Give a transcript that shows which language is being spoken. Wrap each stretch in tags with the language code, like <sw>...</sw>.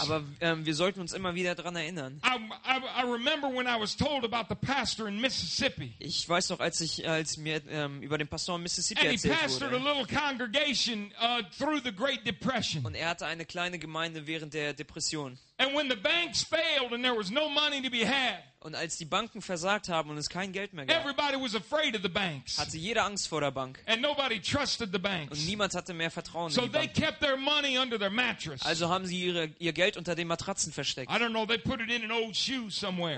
<de>Aber wir sollten uns immer wieder daran erinnern.</de> <en>I remember when I was told about the pastor in Mississippi.</en> <de>Ich weiß noch, als mir über den Pastor in Mississippi erzählt wurde.</de> <en>And he pastored a little congregation through the Great Depression.</en> <de>Und er hatte eine kleine Gemeinde während der Depression.</de> <en>And when the banks failed and there was no money to be had.</en> <de>Und als die Banken versagt haben und es kein Geld mehr gab,</de> <en>everybody was afraid of the banks.</en> <de>Hatte jeder Angst vor der Bank.</de> <en>And nobody trusted the banks.</en> <de>Und niemand hatte mehr Vertrauen</de> <en>so</en> <de>in die</de> <en>they</en> <de>Banken.</de> <en>Kept their money under their mattress.</en> <de>Also haben sie ihr Geld unter den Matratzen versteckt.</de> <en>I don't know, they put it in an old shoe somewhere.</en>